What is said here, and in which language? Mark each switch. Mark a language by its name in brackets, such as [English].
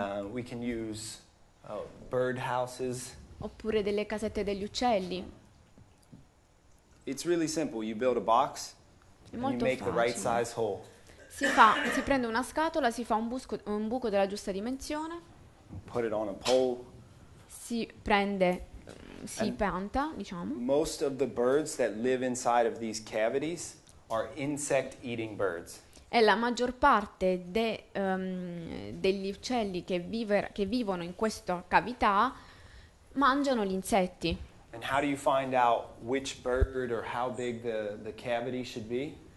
[English] We can use bird houses. [Italian] Oppure delle casette degli uccelli. [English] It's really simple. You build a box and you make [Italian] facile. [English] The right size hole. [Italian] Si prende una scatola, si fa un buco della giusta dimensione. [English] Put it on a pole. [Italian] Si pianta, diciamo. [English] Most of the birds that live inside of these cavities are insect-eating birds. [Italian] E la maggior parte degli uccelli che vivono in questa cavità mangiano gli insetti. [English] And how do you find out which bird or how big the cavity should be?